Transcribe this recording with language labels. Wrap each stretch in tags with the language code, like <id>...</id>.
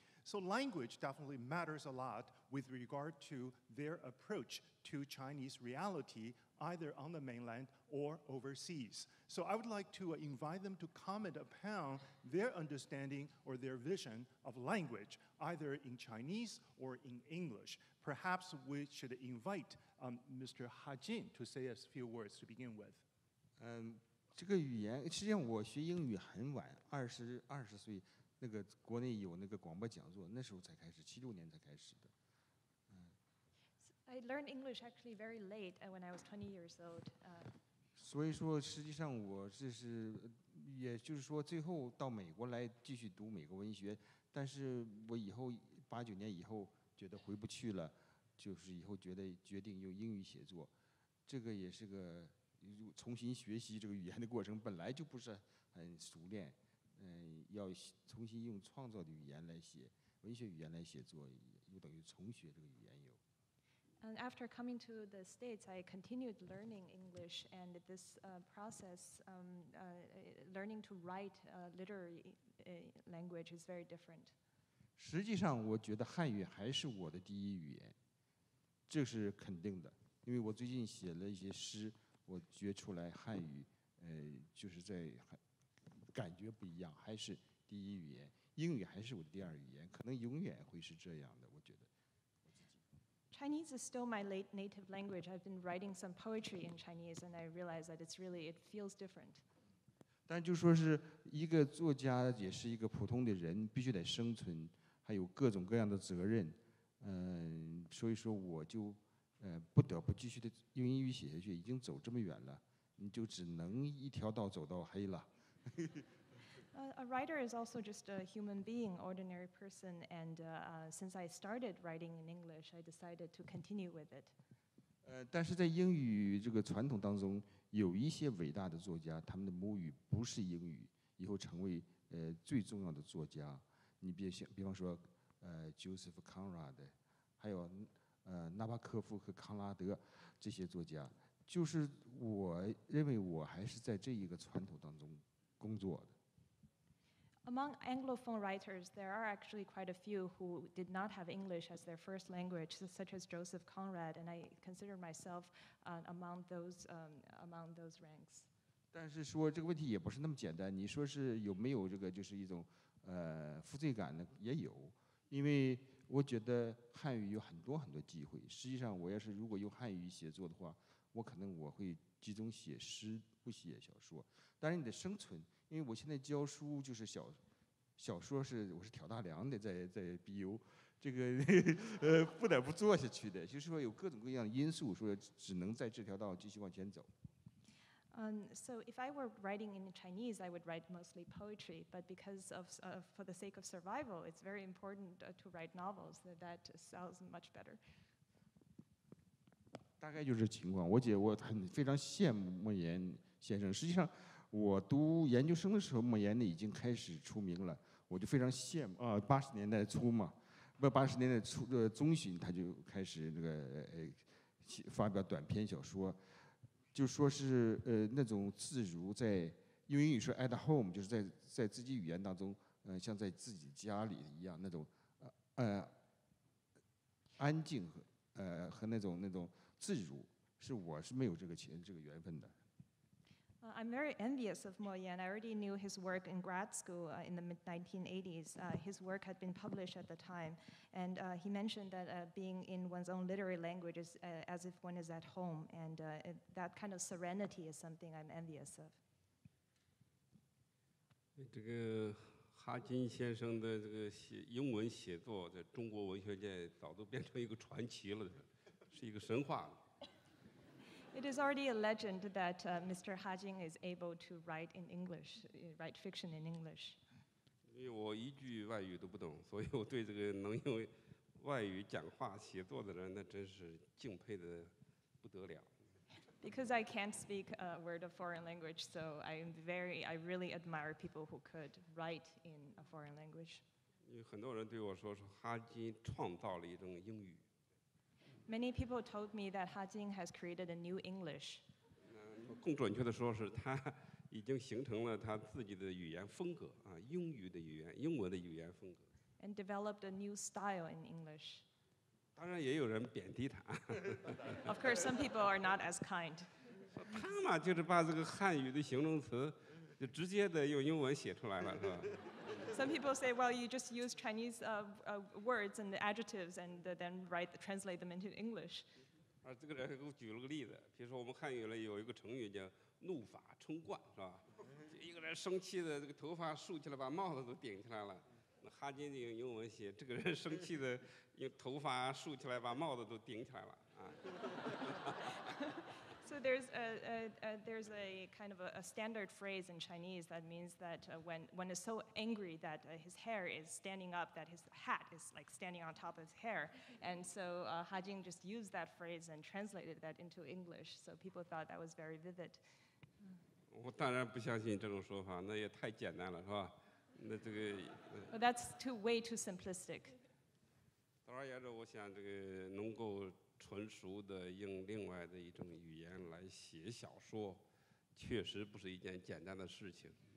<en>So language definitely matters a lot with regard to their approach to Chinese reality, either on the mainland or overseas. So I would like to invite them to comment upon their understanding or their vision of language, either in Chinese or in English. Perhaps we should invite Mr. Ha Jin to say a few words to begin with.</en> <zh>这个语言实际上我学英语很晚，二十岁那个国内有那个广播讲座，那时候才开始，76年才开始的。</zh> <en>I learned English actually very late when I was 20 years old.</en> <zh>所以说，实际上我这是，也就是说，最后到美国来继续读美国文学，但是我以后89年以后觉得回不去了，就是以后觉得决定用英语写作，这个也是个重新学习这个语言的过程，本来就不是很熟练。要重新用创作的语言来写文学语言来写作，又等于重学这个语言又。</zh> <en>And after coming to the States, I continued learning English, and this process, learning to write a literary language is very different.</en> <zh>实际上，我觉得汉语还是我的第一语言，这是肯定的。因为我最近写了一些诗，我觉出来汉语，就是在很。感觉不一样，还是第一语言，英语还是我的第二语言，可能永远会是这样的。我觉得我自己。</zh> <en>Chinese is still my late native language. I've been writing some poetry in Chinese, and I realize that it's really it feels different.</en> <zh>但就说是一个作家，也是一个普通的人，必须得生存，还有各种各样的责任。所以说我就不得不继续的用英语写下去。已经走这么远了，你就只能一条道走到黑了。</zh> <en>a writer is also just a human being, ordinary person, and since I started writing in English, I decided to continue with it.</en> <zh>但是在英语这个传统当中，有一些伟大的作家，他们的母语不是英语，以后成为最重要的作家。你比方说Joseph Conrad， 还有纳巴科夫和康拉德这些作家，就是我认为我还是在这一个传统当中。</zh> <en>Among Anglophone writers, there are actually quite a few who did not have English as their first language, such as Joseph Conrad, and I consider myself among those ranks.</en> <zh>但是说这个问题也不是那么简单。你说是有没有这个就是一种负罪感呢？也有，因为我觉得汉语有很多很多机会。实际上，我要是如果用汉语写作的话，我可能我会集中写诗。不写小说，但是你的生存，因为我现在教书就是小说是我是挑大梁的在 BU， 这个不得不做下去的，就是说有各种各样的因素，说只能在这条道继续往前走。</zh> <en>So if I were writing in Chinese, I would write mostly poetry. But because of for the sake of survival, it's very important to write novels. That sells much better.</en> <zh>大概就是情况。我姐我很非常羡慕莫言。先生，实际上我读研究生的时候，莫言已经开始出名了，我就非常羡慕。八十年代中旬他就开始那个发表短篇小说，就说是那种自如，在用英语说</zh> <en>at home，</en> <zh>就是在自己语言当中，像在自己家里一样那种安静和那种自如，是我是没有这个缘分的。</zh> <en>I'm very envious of Mo Yan. I already knew his work in grad school in the mid-1980s. His work had been published at the time. And he mentioned that being in one's own literary language is as if one is at home. And that kind of serenity is something I'm envious of.</en> <zh>这个哈金先生的这个英文写作在中国文学界早都变成一个传奇了，是一个神话了。</zh> <en>It is already a legend that Mr. Ha Jing is able to write in English, write fiction in English.</en> <zh>因为我一句外语都不懂，所以我对这个能用外语讲话写作的人，那真是敬佩的不得了。</zh> <en>Because I can't speak a word of foreign language, so I really admire people who could write in a foreign language.</en> <zh>因为很多人对我说哈金创造了一种英语。</zh> <en>Many people told me that Ha Jing has created a new English.</en> <zh>更准确的说是他已经形成了他自己的语言风格啊，英语的语言，英文的语言风格。</zh> <en>And developed a new style in English.</en> <zh>当然也有人贬低他。</zh> <en>Of course, some people are not as kind.</en> <zh>他嘛就是把这个汉语的形容词就直接的用英文写出来了，是吧？</zh> <en>Some people say, well, you just use Chinese words and adjectives and then translate them into English.</en> <zh>而这个人还给我举了个例子，比如说我们汉语里有一个成语叫怒发冲冠，是吧？就一个人生气的这个头发竖起来，把帽子都顶起来了。那哈金用英文写，这个人生气的用头发竖起来，把帽子都顶起来了啊。</zh> <en>So there's a kind of a standard phrase in Chinese that means that when is so angry that his hair is standing up, that his hat is like standing on top of his hair. And so Ha Jing just used that phrase and translated that into English. So people thought that was very vivid.</en> <zh>我当然不相信这种说法，那也太简单了，是吧？那这个。</zh> <en>Well, that's way too simplistic.</en> <zh>总而言之，我想这个能够。纯熟的用另外的一种语言来写小说，确实不是一件简单的事情。</zh>